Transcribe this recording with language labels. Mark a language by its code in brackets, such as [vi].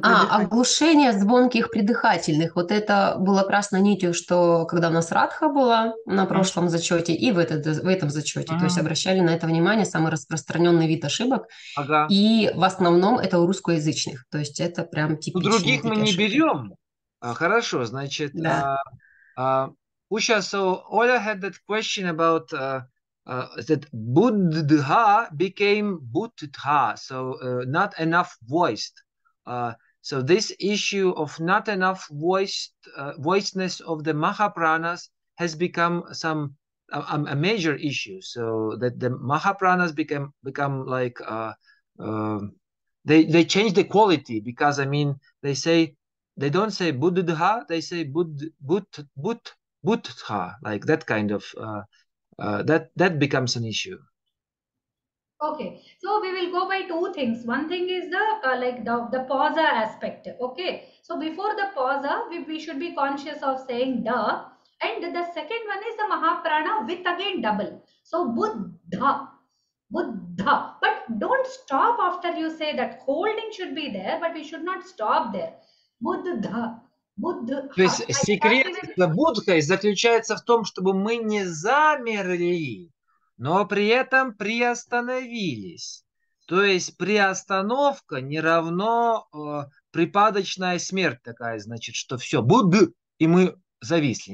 [ru] Оглушение звонких придыхательных. Вот это было красной нитью, что когда у нас радха была на прошлом зачете и в этом зачете. То есть обращали на это внимание, самый распространенный вид ошибок. Ага. И в основном это у русскоязычных. То есть это прям типичные ошибки. У других мы не берем. Хорошо, значит... Да. [en] Usha, so Ola had that question about that Buddha became Buddha, so not enough voiced. So this issue of not enough voicedness of the Mahapranas has become a major issue. So that the Mahapranas become like they change the quality because I mean they say. They don't say Buddha, they say Buddha, like that kind of, that becomes an issue. Okay, so we will go by two things. One thing is the pausa aspect, okay? So before the pausa, we should be conscious of saying da. And the second one is the Mahaprana with again double. So Buddha, but don't stop after you say that. Holding should be there, but we should not stop there. Buddha. [ru] То есть секрет Будхой заключается в том, чтобы мы не замерли, но при этом приостановились. То есть приостановка не равно припадочная смерть такая, значит, что все, Будда, и мы зависли.